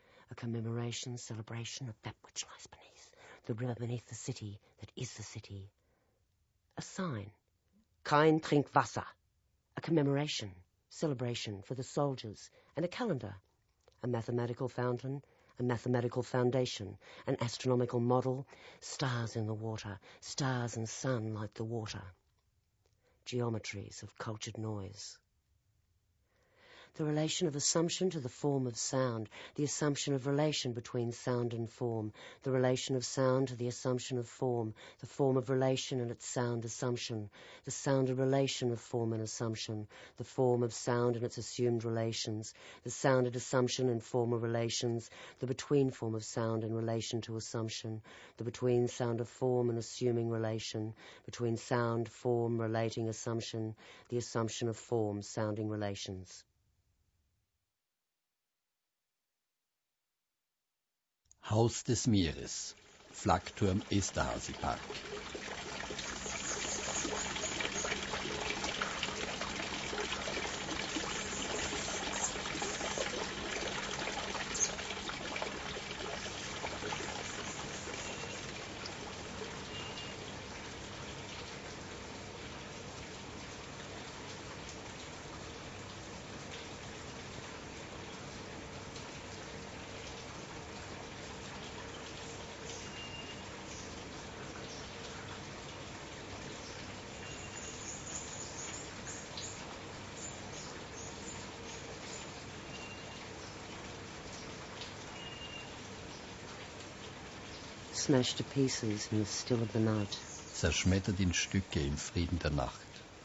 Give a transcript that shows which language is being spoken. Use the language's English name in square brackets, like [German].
[English] A commemoration, celebration of that which lies beneath, the river beneath the city that is the city. A sign, [German] kein Trinkwasser. [English] A commemoration, celebration for the soldiers, and a calendar. A mathematical fountain, a mathematical foundation, an astronomical model, stars in the water, stars and sun light the water. Geometries of cultured noise. the relation of assumption to the form of sound, the assumption of relation between sound and form, the relation of sound to the assumption of form, the form of relation and its sound assumption, the sound of relation of form and assumption, the form of sound and its assumed relations, the sounded assumption and form of relations, the between form of sound in relation to assumption, the between sound of form and assuming relation, between sound, form, relating assumption, the assumption of form, sounding relations. [German] Haus des Meeres, Flakturm Esterhazy Park. [English] Smashed to pieces in the still of the night. [German] Zerschmettert in Stücke im Frieden der Nacht.